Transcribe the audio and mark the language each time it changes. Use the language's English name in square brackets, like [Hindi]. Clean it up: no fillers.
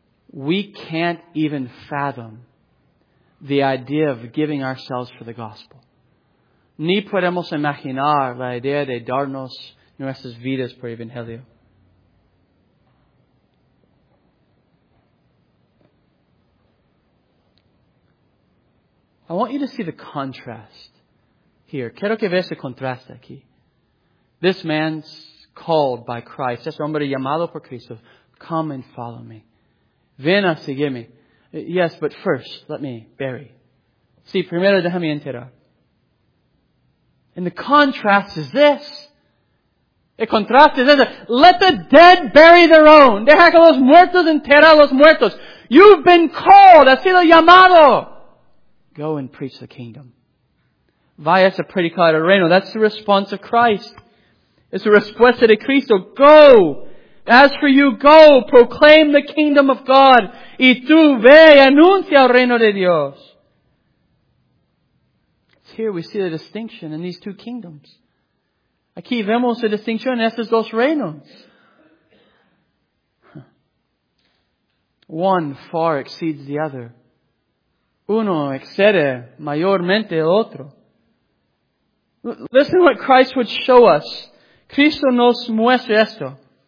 [English] We can't even fathom the idea of giving ourselves for the gospel. [Spanish] Ni podemos imaginar la idea de darnos nuestras vidas por el Evangelio. [English] I want you to see the contrast here. [Spanish] Quiero que veas el contraste aquí. [English] This man's called by Christ. [Spanish] Este hombre llamado por Cristo. [English] Come and follow me. [Spanish] Ven a seguirme. [English] Yes, but first, let me bury. [Spanish] Sí, primero déjame enterar. [English] And the contrast is this. [Spanish] El contraste es ese. [English] Let the dead bury their own. [Spanish] Deja que los muertos enterren los muertos. [English] You've been called. [Spanish] Has sido llamado. [English] Go and preach the kingdom. [Spanish] Vaya a predicar el reino. [English] That's the response of Christ. [Spanish] It's the respuesta de Cristo. Go. [English] As for you, go. Proclaim the kingdom of God. [Spanish] Y tú ve, anuncia el reino de Dios. [English] Here we see the distinction in these two kingdoms. [Spanish] Aquí vemos la distinción en estos dos reinos. [English] One far exceeds the other. [Spanish] Uno excede mayormente el otro. [English] Listen to what Christ would show us. [Spanish] Cristo nos muestra esto.